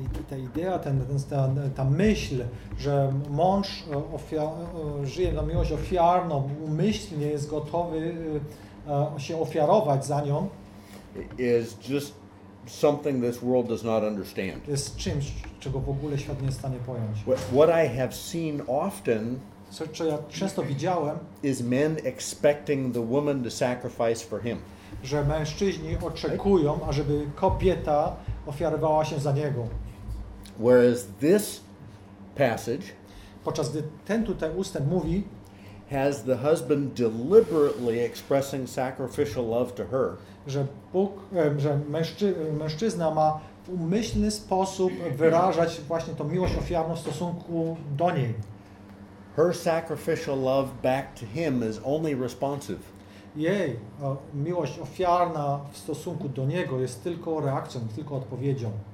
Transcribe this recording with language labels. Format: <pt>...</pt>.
<pl>Ta idea, ta myśl, że mąż żyje na miłość ofiarną, umyślnie jest gotowy się ofiarować za nią,</pl> <en>is just something this world does not understand.</en> <pl>Jest czymś, czego w ogóle świat nie jest w stanie pojąć.</pl> <en>What I have seen often,</en> <pl>co ja często widziałem,</pl> <en>is men expecting the woman to sacrifice for him.</en> <pl>Że mężczyźni oczekują, ażeby kobieta ofiarowała się za niego.</pl> <en>Whereas this passage,</en> <pl>podczas gdy ten tutaj ustęp mówi,</pl> <en>has the husband deliberately expressing sacrificial love to her.</en> <pl>Że Bóg, że mężczyzna ma w umyślny sposób wyrażać właśnie tą miłość ofiarną w stosunku do niej.</pl> <en>Her sacrificial love back to him is only responsive.</en> <pl>Jej miłość ofiarna w stosunku do niego jest tylko reakcją, tylko odpowiedzią.</pl>